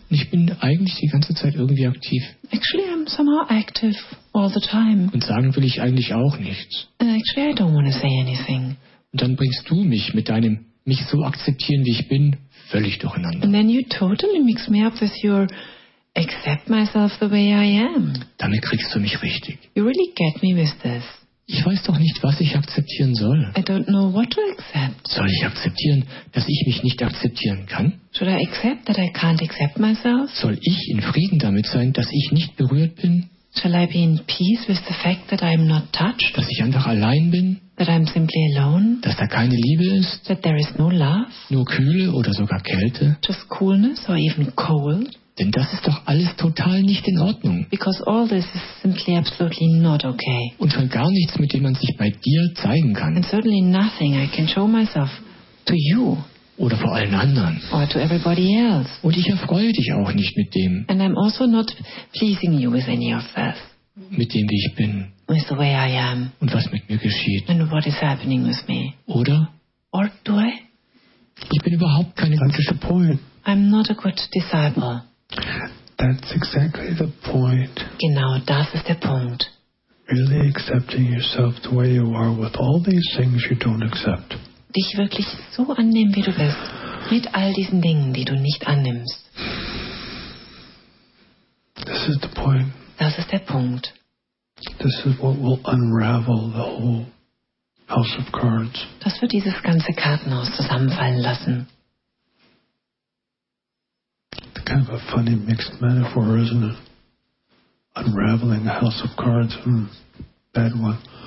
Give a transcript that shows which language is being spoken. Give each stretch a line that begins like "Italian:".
German: Ich bin eigentlich die ganze Zeit irgendwie aktiv.
English: Actually, I'm somehow active all the time.
German: Und sagen will ich eigentlich auch nichts.
English: Actually, I don't want to say anything.
German: Und dann bringst du mich mit deinem mich so akzeptieren, wie ich bin, völlig durcheinander.
English: And then you totally mix me up with your accept myself the way I am.
German: Damit kriegst du mich richtig.
English: You really get me with this.
German: Ich weiß doch nicht, was ich akzeptieren soll.
English: I don't know what to accept.
German: Soll ich akzeptieren, dass ich mich nicht akzeptieren kann?
English: Should I accept that I can't accept myself?
German: Soll ich in Frieden damit sein, dass ich nicht berührt bin?
English: Shall I be in peace with the fact that I'm not touched?
German: Dass ich einfach allein bin?
English: That I'm simply alone.
German: Dass da keine Liebe ist.
English: That there is no love.
German: Nur Kühle oder sogar Kälte.
English: Just coolness or even cold.
German: Denn das ist doch alles total nicht in Ordnung.
English: Because all this is simply absolutely not okay.
German: Und schon gar nichts, mit dem man sich bei dir zeigen kann.
English: And certainly nothing I can show myself to you.
German: Oder vor allen anderen.
English: Or to everybody else.
German: Und ich erfreue dich auch nicht mit dem.
English: And I'm also not pleasing you with any of this.
German: Mit dem, wie ich bin.
English: With the way I am.
German: Und was mit mir geschieht.
English: And what is happening with me.
German: Oder?
English: Or do I?
German: Ich bin überhaupt keine gute Point.
English: I'm not a good disciple. That's exactly the point.
German: Genau, das ist der Punkt.
English: Really accepting yourself the way you are with all these things you don't accept.
German: Dich wirklich so annehmen, wie du bist, mit all diesen Dingen, die du nicht annimmst.
English: This is the point.
German: Das ist der Punkt.
English: This is what will unravel the whole house of cards.
German: Das wird dieses ganze Kartenhaus zusammenfallen lassen.
English: Kind of a funny mixed metaphor, isn't it? Unraveling a house of cards. Bad one.